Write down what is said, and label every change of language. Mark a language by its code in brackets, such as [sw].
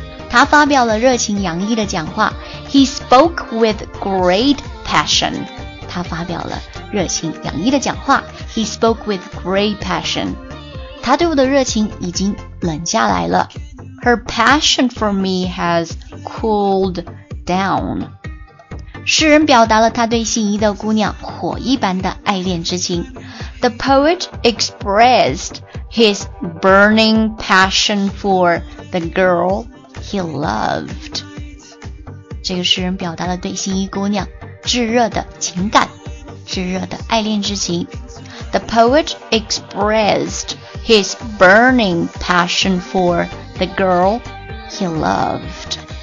[zh] 他发表了热情洋溢的讲话， [en] He spoke with great passion， [zh] 他发表了热情洋溢的讲话。 [en] He spoke with great passion， [zh] 他对我的热情已经冷下来了。 [en] Her passion for me has cooled down. [zh] 诗人表达了他对心仪的姑娘火一般的爱恋之情。 [en] The poet expressed his burning passion for the girl he loved. [zh] 这个诗人表达了对心仪姑娘炙热的情感。炽热的爱恋之情。 [en] The poet expressed his burning passion for the girl he loved.